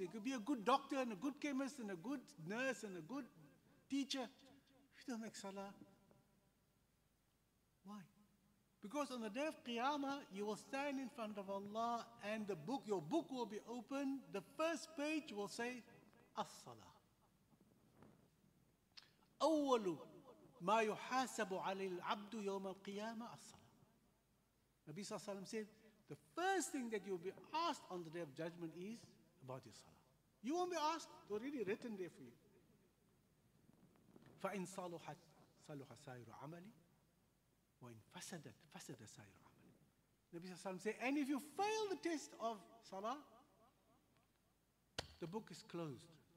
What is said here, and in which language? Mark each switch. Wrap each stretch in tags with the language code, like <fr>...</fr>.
<en>You could be a good doctor and a good chemist and a good nurse and a good teacher. If you don't make salah, why? Because on the day of Qiyamah, you will stand in front of Allah and your book will be open. The first page will say, As-Salah.</en> <ar>أَوَّلُ مَا يُحَاسَبُ عَلِي الْعَبْدُ يَوْمَ الْقِيَامَةِ As-Salah.</ar> <en>Nabi Sallallahu Alaihi Wasallam said, the first thing that you will be asked on the day of judgment is about your salah. You won't be asked, it's already written there for you.</en> <ar>فَإِنْ صَلُحَتْ صَلُحَ سَائِرُ عَمَلِي</ar> <en>وَإِنْ فَسَدَتْ فَسَدَ سَائِرُ عَمَلِي Nabi Sallallahu Alaihi Wasallam said, and if you fail the test of salah, the book is closed.</en>